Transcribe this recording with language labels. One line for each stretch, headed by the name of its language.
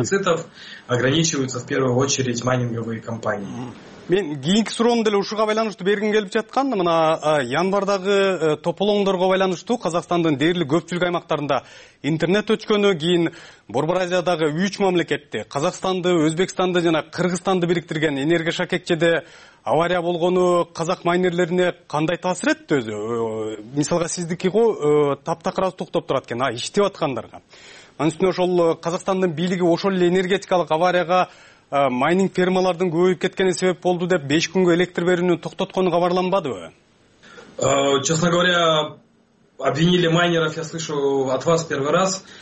Russian: Дефицитов ограничиваются в первую очередь майнинговые компании.
Kyrgyz: Мен кийинки суроону деле ушуга байланыштуу бергим келип жаткан. Мына январдагы тополоңдорго байланыштуу Казакстандын дээрлик көпчүлүк аймактарында интернет өчкөнү, кийин Борбор Азиядагы 3 мамлекетти, Казакстанды, Өзбекстанды жана Кыргызстанды бириктирген энергия шакекчеде авария болгону казак майнерлерине кандай таасир этти өзү? Мисалга сиздики го таптакыр аз токтоп турат экен, иштеп аткандарга. Анын үстүнө ошол Казакстандын бийлиги ошол эле энергетикалык аварияга майнинг фермалардын көбөйүп кеткени себеп болду деп 5 күнгө электр берүүнү токтотконун кабарланбадыбы?
Russian: Честно говоря, обвинили майнеров, я слышу от вас первый раз.